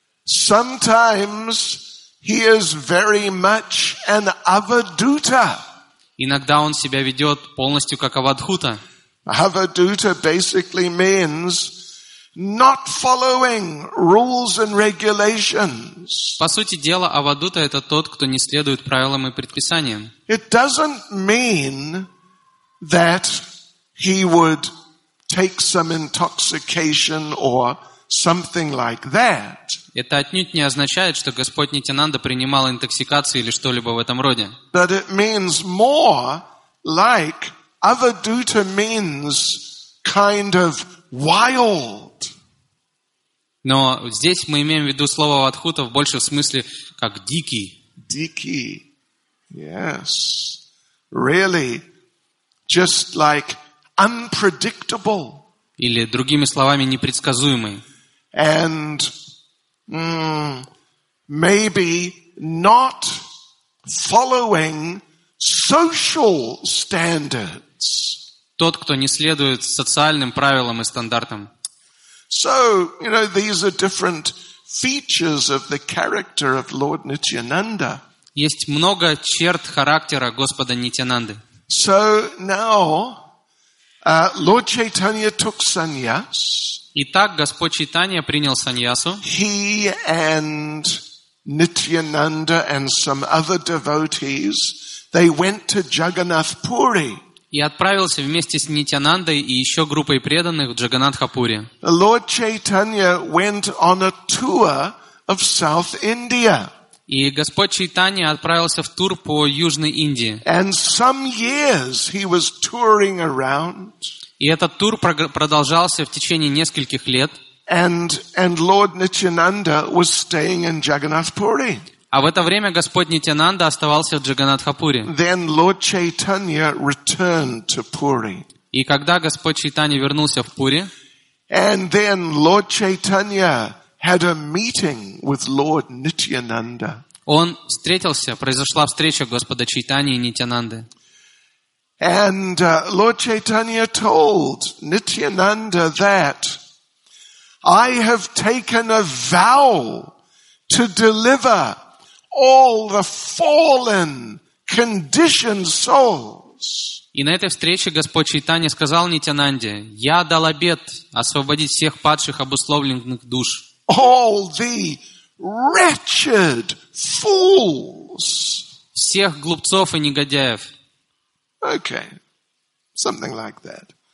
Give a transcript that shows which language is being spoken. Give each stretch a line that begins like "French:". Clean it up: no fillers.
English: Sometimes he is very much an avaduta.
Russian: Иногда он себя ведет полностью как авадхута.
English: Avaduta basically means not following rules and regulations.
Russian: По сути дела, авадута это тот, кто не следует правилам и предписаниям.
English: It doesn't mean that he would take some intoxication or something like that.
Russian: Это отнюдь не означает, что Господь Нитянанда принимал интоксикацию или что-либо в этом роде.
English: But it means more like avaduta means kind of wild.
Russian: Но здесь мы имеем в виду слово «вадхута» в большем смысле как «дикий». Дикий.
English: Yes. Really. Just like unpredictable.
Russian: Или другими словами, непредсказуемый.
English: And maybe not following social standards.
Russian: Тот, кто не следует социальным правилам и стандартам.
English: So, you know, these are different features of the character of Lord Nityananda.
Russian: Есть много черт характера Господа Нитянанды.
English: So now, Lord Chaitanya took sannyas.
Russian: Итак, Господь Чайтанья принял саньясу.
English: He and Nityananda and some other devotees, they went to Jagannath Puri.
Russian: И отправился вместе с Нитянандой и еще группой преданных в Джаганатхапури.
English: Lord Chaitanya went on a tour of South India.
Russian: И Господь Чайтанья отправился в тур по Южной Индии.
English: And some years he was touring around.
Russian: И этот тур продолжался в течение нескольких лет.
English: And Lord Nityananda was staying in Jagannath Puri.
Russian: А в это время Господь Нитянанда оставался в Джаганатхапури.
English: Then Lord Chaitanya returned to Puri.
Russian: И когда Господь Чайтанья вернулся в Пури,
English: and then Lord Chaitanya had a meeting with Lord Nityananda.
Russian: Он встретился, произошла встреча Господа Чайтаньи и Нитянанды.
English: And Lord Chaitanya told Nityananda that I have taken a vow to deliver all the fallen conditioned souls.
Russian: И на этой встрече Господь Чайтанья сказал Нитянанде: "Я дал обет освободить всех падших обусловленных душ."
English: All the wretched fools.
Russian: Всех глупцов и негодяев.
English: Okay. Something like that.